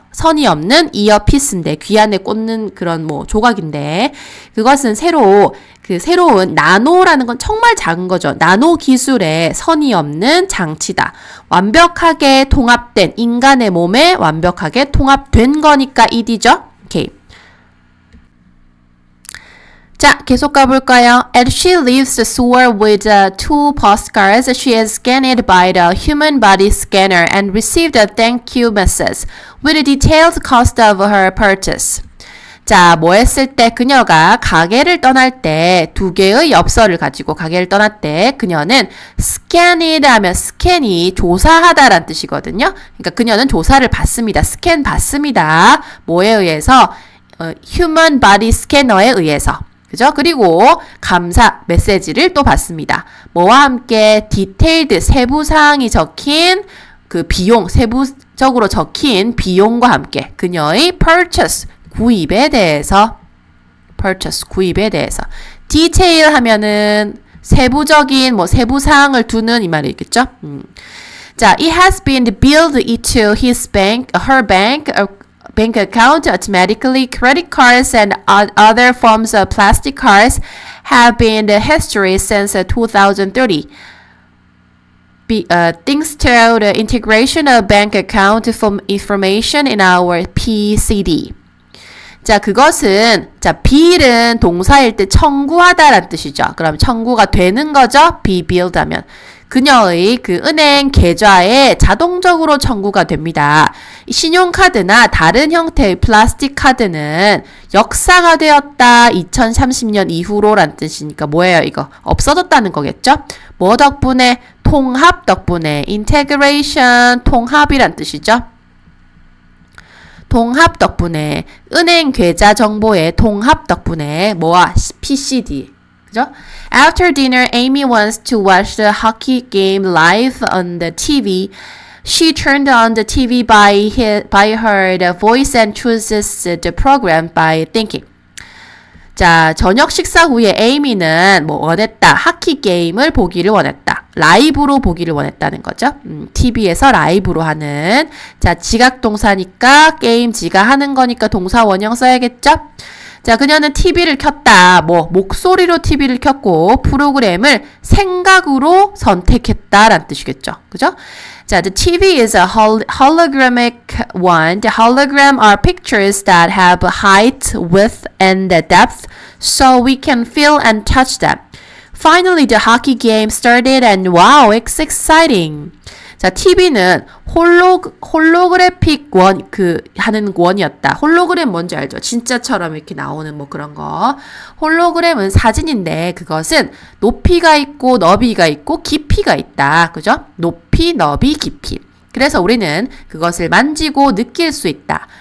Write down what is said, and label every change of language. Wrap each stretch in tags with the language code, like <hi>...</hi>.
<ko>선이 없는 이어피스인데, 귀 안에 꽂는 그런 뭐 조각인데, 그것은 새로, 그 새로운 나노라는 건 정말 작은 거죠. 나노 기술의 선이 없는 장치다. 완벽하게 통합된, 인간의 몸에 완벽하게 통합된 거니까 ED죠. 오케이. 자, 계속 가볼까요?</ko> <en>And she leaves the sewer with two postcards. She is scanned by the human body scanner and received a thank you message with a detailed cost of her purchase.</en> <ko>자, 뭐 했을 때 그녀가 가게를 떠날 때 두 개의 엽서를 가지고 가게를 떠났대. 그녀는 scanned 하면 scan이 조사하다 라는 뜻이거든요. 그러니까 그녀는 조사를 받습니다. scan 받습니다. 뭐에 의해서? human body scanner에 의해서. 그죠? 그리고 감사 메시지를 또 받습니다. 뭐와 함께 디테일드 세부 사항이 적힌 그 비용, 세부적으로 적힌 비용과 함께 그녀의 purchase 구입에 대해서 purchase 구입에 대해서 디테일 하면은 세부적인 뭐 세부 사항을 두는 이 말이겠죠?</ko> <en>자, it has been billed into his bank, her bank. Bank account automatically, credit cards and other forms of plastic cards have been the history since 2030. Thanks to the integration of bank account information in our PCD.</en> <ko>자, 그것은, 자, bill은 동사일 때 청구하다라는 뜻이죠. 그럼 청구가 되는 거죠? be billed 하면. 그녀의 그 은행 계좌에 자동적으로 청구가 됩니다. 신용카드나 다른 형태의 플라스틱 카드는 역사가 되었다. 2030년 이후로란 뜻이니까 뭐예요, 이거? 없어졌다는 거겠죠? 뭐 덕분에? 통합 덕분에. integration, 통합이란 뜻이죠? 통합 덕분에. 은행 계좌 정보의 통합 덕분에. 뭐와? PCD. 그죠?</ko> <en>After dinner, Amy wants to watch the hockey game live on the TV. She turned on the TV by her voice and chooses the program by thinking.</en> <ko>자, 저녁 식사 후에 에이미는 뭐 원했다. 하키 게임을 보기를 원했다. 라이브로 보기를 원했다는 거죠. TV에서 라이브로 하는. 자, 지각 동사니까 게임 지각하는 거니까 동사 원형 써야겠죠? 자, 그녀는 TV를 켰다. 뭐 목소리로 TV를 켰고 프로그램을 생각으로 선택했다라는 뜻이겠죠. 그죠? 자,</ko> <en>the TV is a hologramic one. The hologram are pictures that have height, width and depth so we can feel and touch them. Finally, the hockey game started and wow, it's exciting.</en> <ko>자, TV는 홀로그래픽 원, 그, 하는 원이었다. 홀로그램 뭔지 알죠? 진짜처럼 이렇게 나오는 뭐 그런 거. 홀로그램은 사진인데 그것은 높이가 있고 너비가 있고 깊이가 있다. 그죠? 높이, 너비, 깊이. 그래서 우리는 그것을 만지고 느낄 수 있다.</ko>